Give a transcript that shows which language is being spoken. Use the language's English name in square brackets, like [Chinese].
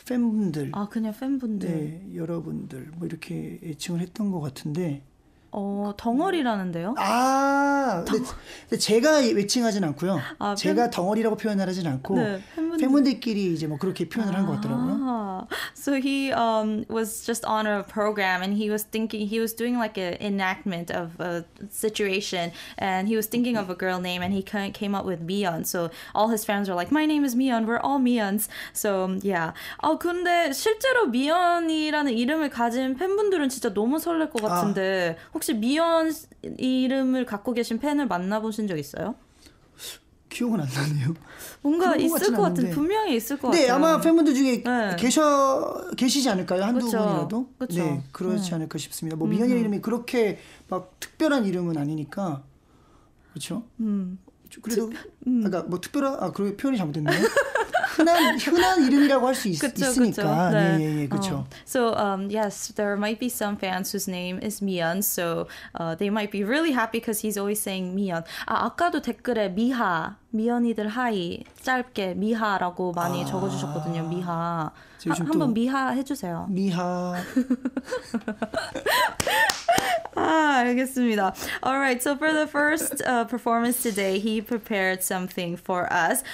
[Korean] 팬분들. 아 그냥 팬분들. 네, 여러분들 뭐 이렇게 애칭을 했던 것 같은데. 덩어리라는데요? 아, 근데 제가 외칭하진 않고요. 아, 제가 덩어리라고 표현을 하진 않고 네, 팬분들끼리 이제 뭐 그렇게 표현을 한 것 같더라고요. [English] So he was just on a program and he was thinking, he was doing like an enactment of a situation and he was thinking of a girl name and he came up with Myeon. So all his fans were like, my name is Myeon, we're all Myeons. So yeah. [Korean] 아, 근데 실제로 미연이라는 이름을 가진 팬분들은 진짜 너무 설렐 것 같은데. 아. 혹시 미연 이름을 갖고 계신 팬을 만나보신 적 있어요? 기억은 안 나네요. 뭔가 있을 것 같은데 분명히 있을 것 같아요. 네, 아마 팬분들 중에 네. 계시지 않을까요? 한두 그쵸. 분이라도? 그쵸. 네, 그렇지 네. 않을까 싶습니다. 뭐 미연이 이름이 그렇게 막 특별한 이름은 아니니까 그렇죠? 그래도 그러니까 뭐 특별한 그런 표현이 잘못됐네요. 흔한 이름이라고 할 수 있으니까. 네. 예, 예, 그렇죠. [English] So yes, there might be some fans whose name is Myeon. So they might be really happy because he's always saying Myeon. [Korean] 아, 아까도 댓글에 미하, 미연이들 하이, 짧게 미하라고 많이 적어주셨거든요. 미하. 한번 미하 해주세요. 미하. 아, 알겠습니다. [English] All right, so for the first performance today, he prepared something for us.